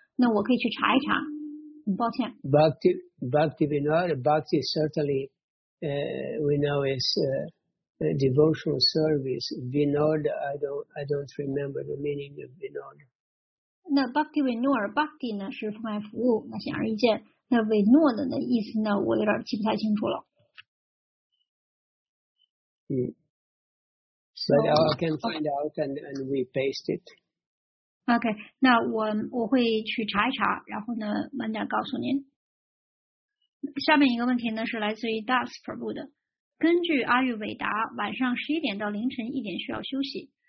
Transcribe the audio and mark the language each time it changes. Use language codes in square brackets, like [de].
[zh] 那我可以去查一查，很抱歉。 [en] Bhakti Vinod certainly we know is devotional service. Vinod, I don't remember the meaning of Vinod. [zh] 那 Bhakti Vinod Bhakti 呢是奉爱服务，那显而易见。那维诺的那意思呢我有点记不太清楚了。嗯。 [en] So now I can find out and we paste it. [zh] OK, 那我会去查一查，然后呢晚点告诉您。下面一个问题呢是来自于 Das Prabhu 的。根据阿育韦达，晚上11点到凌晨1点需要休息。